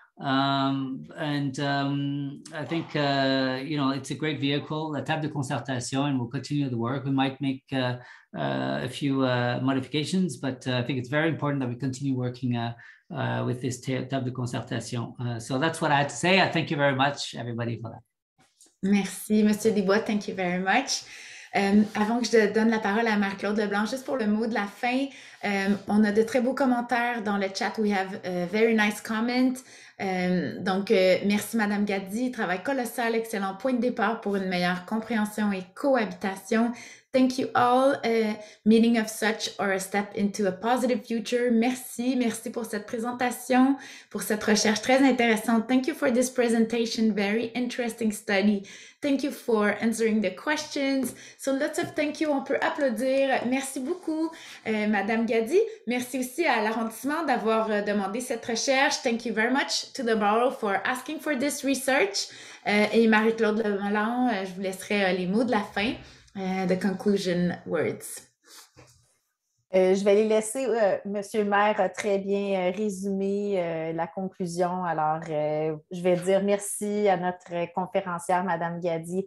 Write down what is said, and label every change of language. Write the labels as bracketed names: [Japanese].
[English] I think, you know, it's a great vehicle, la table de concertation, and we'll continue the work. We might make a few modifications, but I think it's very important that we continue working with this table de concertation. So that's what I had to say. I thank you very much, everybody, for that. [French] Merci, [English] Monsieur Desbois. Thank you very much. [French] Avant que je donne la parole à Marc-Claude Leblanc, juste pour le mot de la fin, on a de très beaux commentaires dans le chat. [English] We have very nice comments. [French] Merci Madame Gadi, travail colossal, excellent point de départ pour une meilleure compréhension et cohabitation. [English] Thank you all, meaning of such or a step into a positive future. [French] Merci, merci pour cette présentation, pour cette recherche très intéressante. [English] Thank you for this presentation, very interesting study. Thank you for answering the questions. So lots of thank you, [French] on peut applaudir. Merci beaucoup, Madame Gadi. Merci aussi à l'arrondissement d'avoir demandé cette recherche. [English] Thank you very much to the borough for asking for this research. [French] Et Marie-Claude Lemelan, je vous laisserai les mots de la fin. [English] The conclusion words. [French] Je vais les laisser. Monsieur le maire a très bien résumé la conclusion. Alors, je vais dire merci à notre conférencière, Madame Gadi.